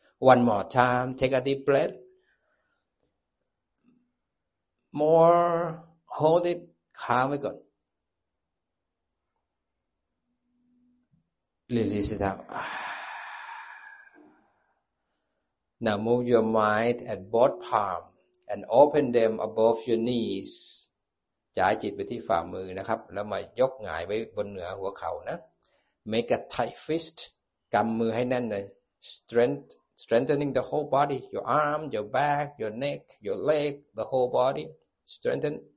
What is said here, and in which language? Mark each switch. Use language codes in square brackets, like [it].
[en] One more time. Take a deep breath. More, hold it, [th] ค้างไว้ก่อน [en] Release it out. Now move your mind at both palms and open them above your knees. [th] จ่ายจิตไปที่ฝ่ามือนะครับแล้วมายกหงายไว้บนเหนือหัวเข่านะ [en] Make a tight fist, [th] กำมือให้แน่นเลย [en] Strengthening the whole body, your arm, your back, your neck, your leg, the whole bodyStrengthen.